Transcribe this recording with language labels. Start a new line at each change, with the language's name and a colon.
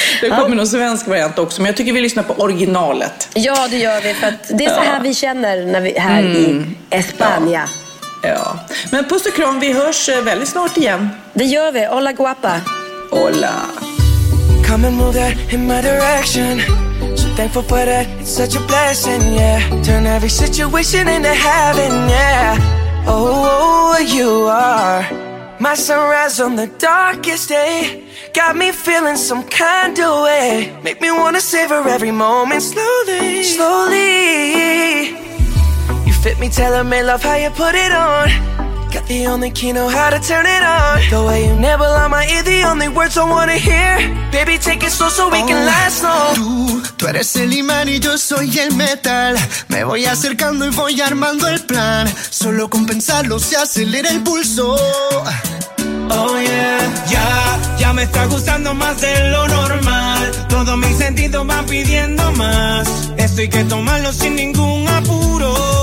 Swedish: Det kommer någon svensk variant också. Men jag tycker vi lyssnar på originalet. Ja, det gör vi. För att det är så här vi känner när vi här.
Spanish: I España.
Swedish: Ja. Men puss och kram, vi hörs väldigt snart igen. Det gör vi.
Spanish: Hola guapa. Hola.
English: Come and move that in my direction. So thankful for that, it's such a blessing, yeah. Turn every situation into heaven, yeah. Oh, you are my sunrise on the darkest day. Got me feeling some kind of way. Make me wanna savor every moment. Slowly. Fit me, tailor made, love how you put it on. Got the only key, know how to turn it on. The way you nibble on my ear, the only words I wanna hear. Baby, take it slow so we can last long.
Spanish: Tú eres el imán y yo soy el metal. Me voy acercando y voy armando el plan. Solo con pensarlo se acelera el pulso. Oh yeah. Ya me está gustando más de lo normal. Todo mi sentido va pidiendo más. Esto hay que tomarlo sin ningún apuro.